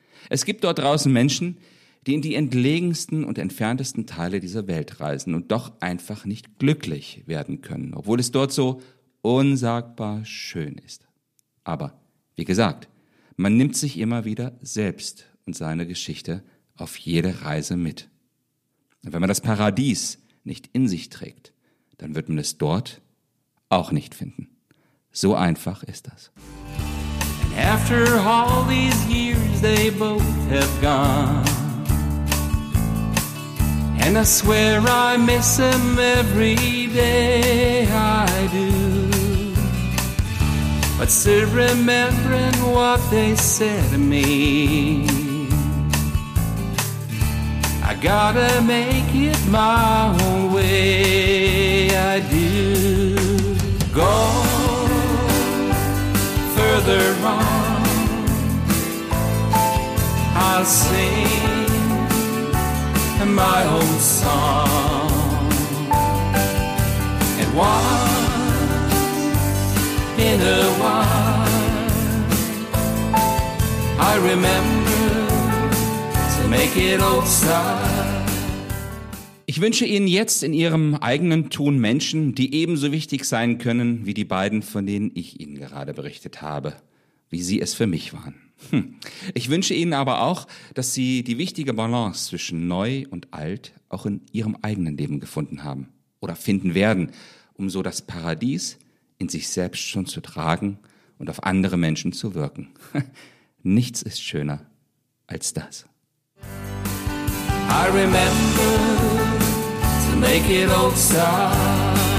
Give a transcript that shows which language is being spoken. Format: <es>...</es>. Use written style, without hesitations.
<de>Es gibt dort draußen Menschen, die in die entlegensten und entferntesten Teile dieser Welt reisen und doch einfach nicht glücklich werden können, obwohl es dort so unsagbar schön ist. Aber wie gesagt, man nimmt sich immer wieder selbst und seine Geschichte auf jede Reise mit. Und wenn man das Paradies nicht in sich trägt, dann wird man es dort auch nicht finden. So einfach ist das.</de> <en>After all these years they both have gone, and I swear I miss them every day I do. But still remembering what they said to me, I gotta make it my own way, I do. Go further on, I'll sing my own song. And once in a while, I remember to make it old style.</en> <de>Ich wünsche Ihnen jetzt in Ihrem eigenen Tun Menschen, die ebenso wichtig sein können wie die beiden, von denen ich Ihnen gerade berichtet habe, wie Sie es für mich waren. Ich wünsche Ihnen aber auch, dass Sie die wichtige Balance zwischen neu und alt auch in Ihrem eigenen Leben gefunden haben oder finden werden, um so das Paradies in sich selbst schon zu tragen und auf andere Menschen zu wirken. Nichts ist schöner als das.</de> <en>I remember to make it old style.</en>